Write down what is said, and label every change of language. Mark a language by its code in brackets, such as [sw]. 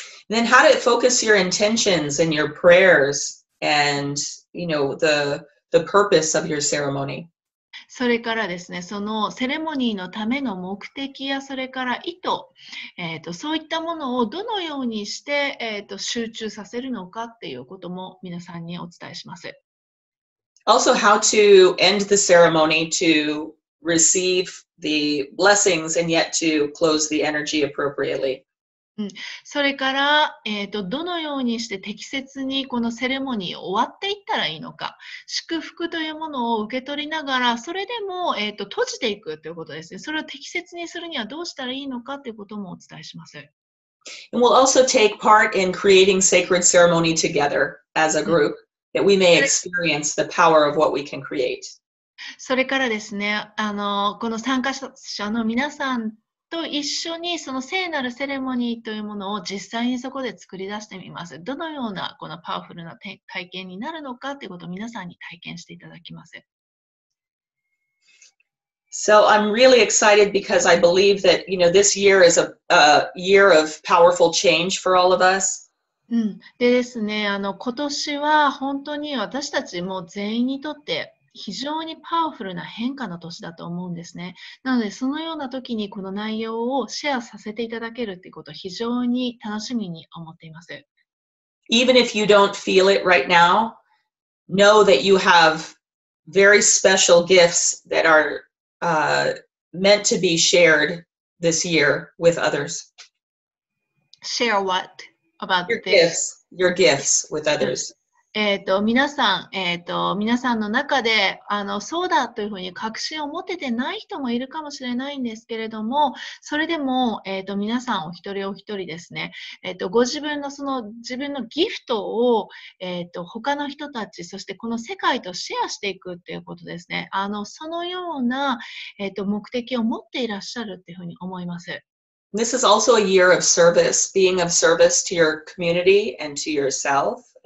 [en] Then how to focus your intentions and your prayers and, you know, the purpose of your ceremony. [ja] それからですね、そのセレモニーのための目的やそれから意図、そういったものをどのようにして、集中させるのかっていうことも皆さんにお伝えします。 [en] Also, how to end the ceremony to receive the blessings and yet to close the energy appropriately. [ja] それから、どのようにして適切にこのセレモニーを終わっていったらいいのか、祝福というものを受け取りながら、それでも、閉じていくということですね。それを適切にするにはどうしたらいいのかということもお伝えします。 [en] And we'll also take part in creating sacred ceremony together as a group, that we may experience the power of what we can create. [ja] それからですね、この参加者の皆さんと一緒にその聖なるセレモニーというものを実際にそこで作り出してみます。どのようなこのパワフルな体験になるのかということを皆さんに体験していただきます。 [en] So I'm really excited because I believe that, you know, this year is a year of powerful change for all of us. [ja] でですね、今年は本当に私たちも全員にとって非常にパワフルな変化の年だと思うんですね。なのでそのような時にこの内容をシェアさせていただけるということを非常に楽しみに思っています。 [en] Even if you don't feel it right now, know that you have very special gifts that are meant to be shared this year with others. Share what about your gifts? Your gifts with others. [ja] 皆さんの中で、そうだというふうに確信を持ててない人もいるかもしれないんですけれども、それでも、皆さんお一人お一人ですね、ご自分のその自分のギフトを、他の人たち、そしてこの世界とシェアしていくということですね。そのような、目的を持っていらっしゃるというふうに思います。 [en] This is also a year of service, being of service to your community and to yourself.